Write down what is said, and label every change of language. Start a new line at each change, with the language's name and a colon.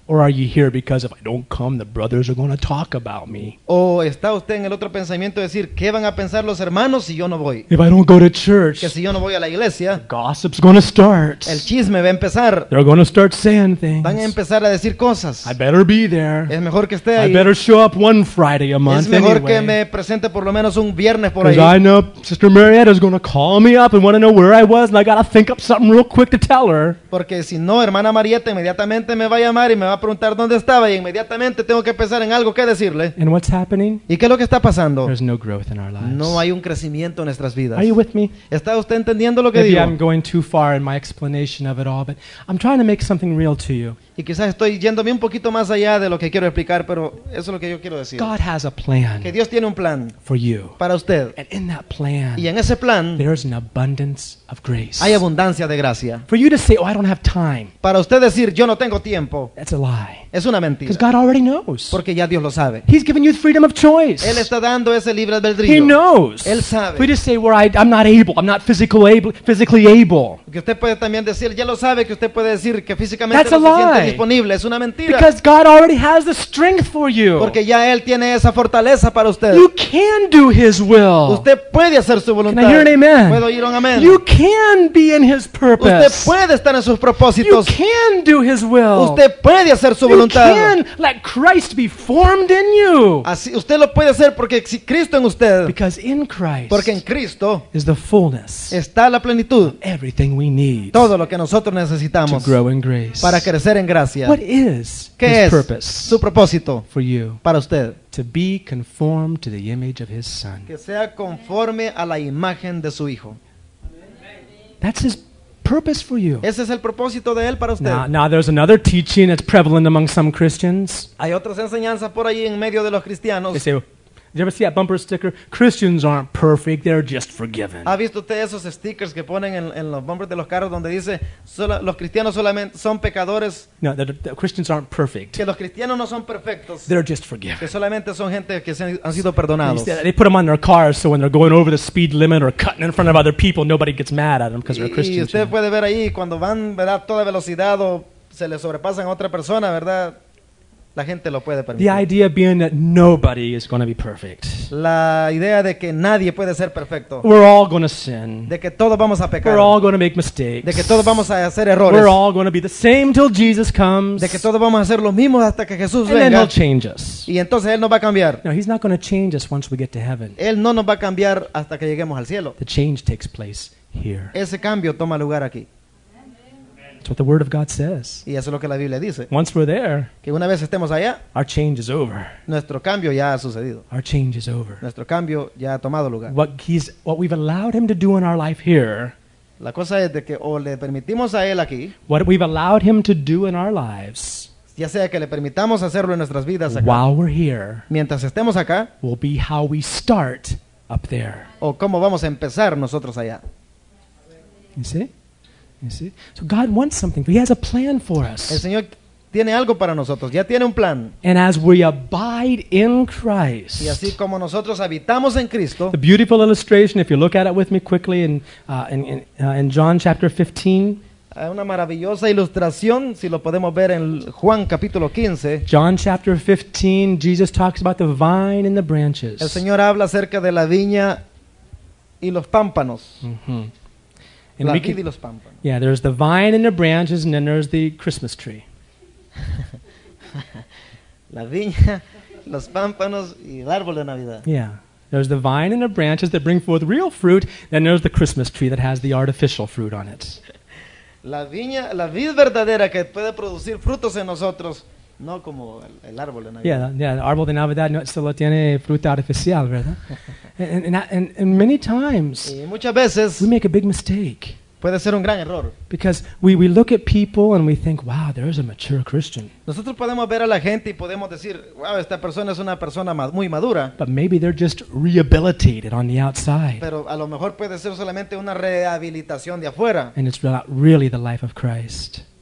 English: Or are you here because if I don't come, the brothers are going to talk about me?
Spanish: O está usted en el otro pensamiento de decir, ¿qué van a pensar los hermanos si yo no voy?
English: If I don't go to church,
Spanish: que si yo no voy a la iglesia,
English: gossip's going to start.
Spanish: El chisme va a empezar.
English: They're going to start saying things.
Spanish: Van a empezar a decir cosas.
English: I better be there.
Spanish: Es mejor que esté ahí.
English: I better show up one Friday a month.
Spanish: Es mejor
English: anyway.
Spanish: Que me presente por lo menos un viernes por ahí.
English: Because I know Sister Marietta is going to call me up and want to know where I was, and I got to think up something real quick to tell her.
Spanish: Porque si no, hermana Marieta inmediatamente me va a llamar y me va a preguntar dónde estaba y inmediatamente tengo que pensar en algo que decirle.
English: And what's happening?
Spanish: ¿Y qué es lo que está pasando?
English: There's no growth in our lives.
Spanish: No hay un crecimiento en nuestras vidas.
English: Are you with me?
Spanish: ¿Está usted entendiendo lo que
English: maybe
Spanish: digo?
English: I'm going too far in my explanation of it all, but I'm trying to make something real to you.
Spanish: Y quizás estoy yéndome un poquito más allá de lo que quiero explicar, pero eso es lo que yo quiero decir.
English: God has a plan.
Spanish: Que Dios tiene un plan
English: for you.
Spanish: Para usted.
English: And in that plan,
Spanish: y en ese plan,
English: there's an abundance of grace.
Spanish: Hay abundancia de gracia.
English: For you to say, oh, I don't have time.
Spanish: Para usted decir, yo no tengo tiempo.
English: That's a lie.
Spanish: Es una mentira.
English: Because God already knows.
Spanish: Porque ya Dios lo sabe.
English: He's given you freedom of choice.
Spanish: Él está dando ese libre albedrío.
English: He knows.
Spanish: Él sabe.
English: We just say, well, I'm not able. I'm not physically able.
Spanish: Que usted puede también decir, ya lo sabe, que usted puede decir que físicamente
English: that's
Spanish: no
English: a lie.
Spanish: Disponible. Es una mentira.
English: Because God already has the strength for you.
Spanish: Porque ya Él tiene esa fortaleza para usted.
English: You can do His will.
Spanish: Usted puede hacer su voluntad.
English: Can I hear an amen?
Spanish: ¿Puedo oír un amén?
English: You can be in His purpose.
Spanish: Usted puede estar en sus propósitos.
English: You can do His will.
Spanish: Usted puede hacer su voluntad.
English: You can let Christ be formed in you.
Spanish: Así, usted lo puede hacer porque Cristo en usted.
English: Because in Christ,
Spanish: porque en Cristo
English: is the fullness,
Spanish: está la plenitud,
English: everything we need,
Spanish: todo lo que nosotros necesitamos,
English: to grow in grace,
Spanish: para crecer en gracia.
English: What is
Spanish: ¿qué
English: His
Spanish: es
English: purpose
Spanish: su propósito
English: for you?
Spanish: Para usted.
English: To be conformed to the image of His Son.
Spanish: Que sea conforme a la imagen de su Hijo.
English: That's His purpose for you.
Spanish: Ese es el propósito de él para usted.
English: Now there's another teaching that's prevalent among some Christians.
Spanish: Hay otras enseñanzas por ahí en medio de los cristianos.
English: They say, did you ever see that bumper sticker? Christians aren't perfect, they're just forgiven.
Spanish: ¿Ha visto usted esos stickers que ponen en los bumpers de los carros donde dice los cristianos solamente son pecadores?
English: No, the Christians aren't perfect.
Spanish: Que los cristianos no son perfectos.
English: They're just forgiven.
Spanish: Que solamente son gente que han sido perdonados.
English: They put them on their cars so when they're going over the speed limit or cutting in front of other people, nobody gets mad at them because they're Christians.
Spanish: Y usted puede ver ahí cuando van, ¿verdad?, toda velocidad o se le sobrepasan a otra persona, ¿verdad? La gente lo puede permitir.
English: The idea being that nobody is going to be perfect.
Spanish: La idea de que nadie puede ser perfecto.
English: We're all going to sin.
Spanish: De que todos vamos a pecar.
English: We're all going to make mistakes.
Spanish: De que todos vamos a hacer errores.
English: We're all going to be the same till Jesus comes.
Spanish: De que todos vamos a hacer lo mismo hasta que Jesús venga.
English: And then he'll change us.
Spanish: Y entonces él nos va a cambiar.
English: No, he's not going to change us once we get to heaven.
Spanish: Él no nos va a cambiar hasta que lleguemos al cielo.
English: The change takes place here.
Spanish: Ese cambio toma lugar aquí.
English: That's what the word of God says.
Spanish: Y eso es lo que la Biblia dice.
English: Once we're there,
Spanish: que una vez estemos allá,
English: our change is over.
Spanish: Nuestro cambio ya ha sucedido.
English: Our change is over.
Spanish: Nuestro cambio ya ha tomado lugar.
English: What we've allowed him to do in our life here,
Spanish: la cosa es de que o le permitimos a él aquí,
English: what we've allowed him to do in our lives,
Spanish: ya sea que le permitamos hacerlo en nuestras vidas acá,
English: while we're here,
Spanish: mientras estemos acá,
English: will be how we start up there.
Spanish: O cómo vamos a empezar nosotros allá.
English: You see? You see? So God wants something. He has a plan for us.
Spanish: El Señor tiene algo para nosotros. Ya tiene un plan.
English: And as we abide in Christ,
Spanish: y así como nosotros habitamos en Cristo,
English: the beautiful illustration, if you look at it with me quickly in John chapter 15.
Spanish: Una maravillosa ilustración, si lo podemos ver en Juan capítulo 15.
English: John chapter 15, Jesus talks about the vine and the branches.
Spanish: El Señor habla acerca de la viña y los pámpanos. Mm-hmm. And la vid y los pámpanos.
English: Yeah, there's the vine and the branches, and then there's the Christmas tree.
Spanish: La viña, los pámpanos y el árbol de Navidad.
English: Yeah, there's the vine and the branches that bring forth real fruit, then there's the Christmas tree that has the artificial fruit on it.
Spanish: La viña, la vid verdadera que puede producir frutos en nosotros, no como el árbol de Navidad. Yeah, el árbol de Navidad no solo tiene fruta artificial, ¿verdad?
English: And many times,
Spanish: y muchas veces,
English: we make a big mistake.
Spanish: Puede ser un gran error.
English: Because we look at people and we think, wow, there is a mature Christian.
Spanish: Nosotros podemos ver a la gente y podemos decir, wow, esta persona es una persona muy madura.
English: But maybe they're just rehabilitated on the outside.
Spanish: Pero a lo mejor puede ser solamente una rehabilitación de afuera.
English: And it's not really the life of Christ.